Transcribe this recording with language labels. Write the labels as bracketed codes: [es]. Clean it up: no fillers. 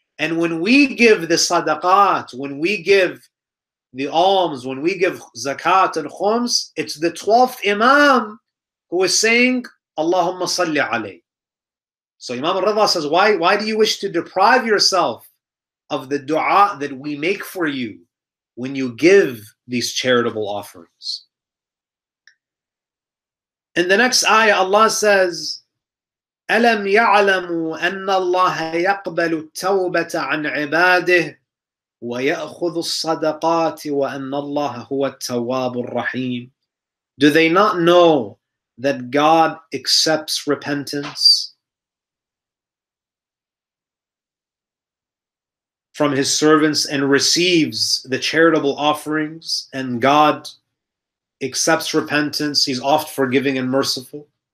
[en] And when we give the sadaqat, when we give the alms, when we give zakat and khums, it's the 12th Imam who is saying, [ar] Allahumma salli alayhi. [en] So Imam al-Ridha says, why do you wish to deprive yourself of the dua that we make for you when you give these charitable offerings. In the next ayah, Allah says, [ar] أَلَمْ يَعْلَمُوا أَنَّ اللَّهَ يَقْبَلُ التَّوْبَةَ عَنْ عِبَادِهِ وَيَأْخُذُ الصَّدَقَاتِ وَأَنَّ اللَّهَ هُوَ التَّوَّابُ الرَّحِيمُ. [en] Do they not know that God accepts repentance from His servants and receives the charitable offerings, and God accepts repentance, He's oft forgiving and merciful?